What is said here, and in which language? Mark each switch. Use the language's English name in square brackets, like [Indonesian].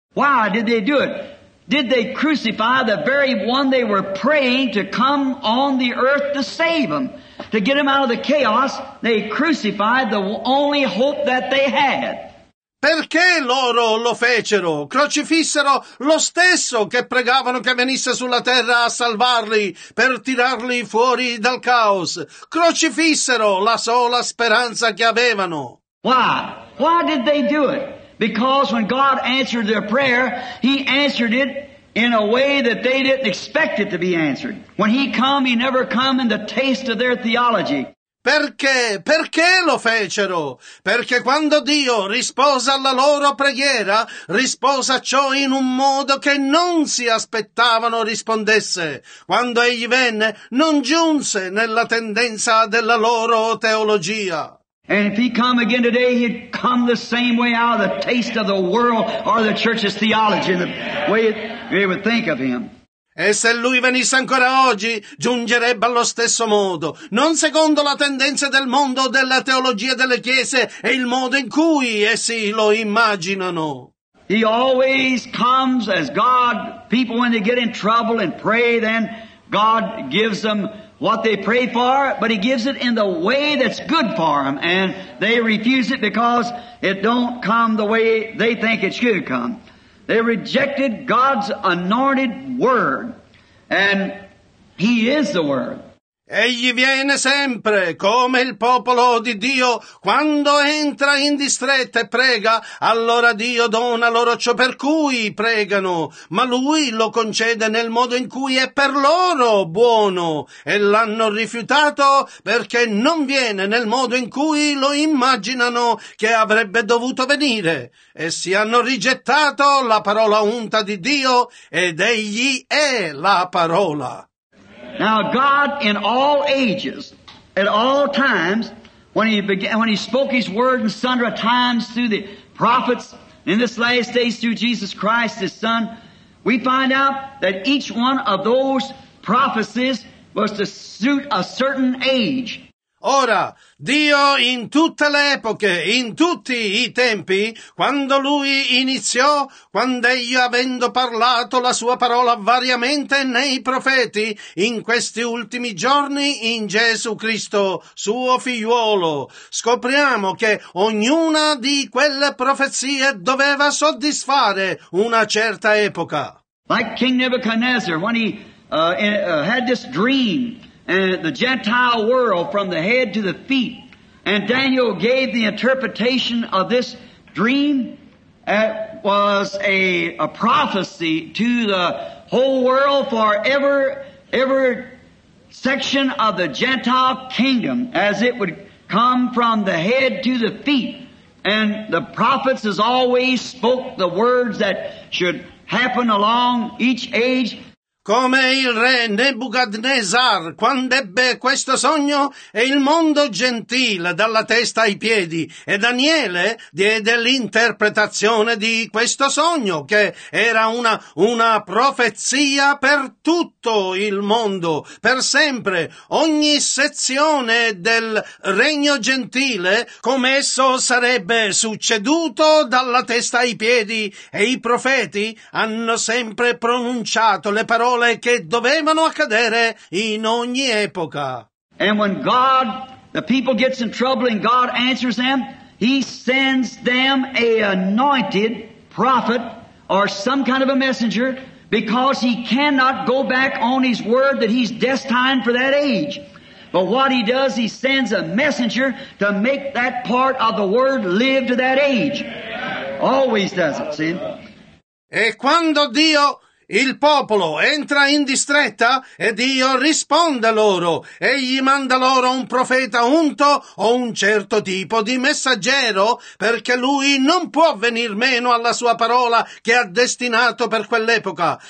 [English] Why did they do it? Did they crucify the very one they were praying to come on the earth to save them? To get him out of the chaos, they crucified the only hope that they had. [Italian] Perché loro lo fecero? Crocifissero lo stesso che pregavano che venisse sulla terra a salvarli, per tirarli fuori dal caos. Crocifissero la sola speranza che avevano. [English] Why? Why did they do it? Because when God answered their prayer, He answered it in a way that they didn't expect it to be answered. When He come, He never come in the taste of their theology. [Italian] Perché? Perché lo fecero? Perché quando Dio rispose alla loro preghiera, rispose a ciò in un modo che non si aspettavano rispondesse. Quando Egli venne, non giunse nella tendenza della loro teologia. [English] And if He come again today, He'd come the same way out of the taste of the world or the church's theology, the way they would think of Him. [Italian] E se Lui venisse ancora oggi, giungerebbe allo stesso modo, non secondo la tendenza del mondo, della teologia delle chiese e il modo in cui essi lo immaginano. [English] He always comes as God. People, when they get in trouble and pray, then God gives them what they pray for, but He gives it in the way that's good for them, and they refuse it because it don't come the way they think it should come. They rejected God's anointed Word, and He is the Word. [Italian] Egli viene sempre, come il popolo di Dio, quando entra in distretta e prega, allora Dio dona loro ciò per cui pregano, ma Lui lo concede nel modo in cui è per loro buono, e l'hanno rifiutato perché non viene nel modo in cui lo immaginano che avrebbe dovuto venire, e si hanno rigettato la parola unta di Dio, ed Egli è la parola. [English] Now God in all ages, at all times, when he spoke His word in sundry times through the prophets, in this last days through Jesus Christ, His Son, we find out that each one of those prophecies was to suit a certain age. [Italian] Ora, Dio in tutte le epoche, in tutti i tempi, quando Lui iniziò, quando Egli avendo parlato la Sua parola variamente nei profeti, in questi ultimi giorni in Gesù Cristo, Suo figliuolo, scopriamo che ognuna di quelle profezie doveva soddisfare una certa epoca. [English] Like King Nebuchadnezzar, when he had this dream, and the Gentile world from the head to the feet. And Daniel gave the interpretation of this dream that was a prophecy to the whole world for every section of the Gentile kingdom as it would come from the head to the feet. And the prophets has always spoke the words that should happen along each age. [Italian] Come il re Nebuchadnezzar, quando ebbe questo sogno, e il mondo gentile dalla testa ai piedi, e Daniele diede l'interpretazione di questo sogno, che era una profezia per tutto il mondo, per sempre, ogni sezione del regno gentile, come esso sarebbe succeduto dalla testa ai piedi, e i profeti hanno sempre pronunciato le parole che dovevano accadere in ogni epoca. [English] And when God, the people gets in trouble and God answers them, He sends them an anointed prophet or some kind of a messenger because He cannot go back on His word that He's destined for that age. But what He does, He sends a messenger to make that part of the word live to that age. Always does it, see? [Italian] E quando Dio... Il popolo entra in distretta e Dio risponde loro. Egli manda loro un profeta unto o un certo tipo di messaggero, perché lui non può venir meno alla sua parola che ha destinato per quell'epoca.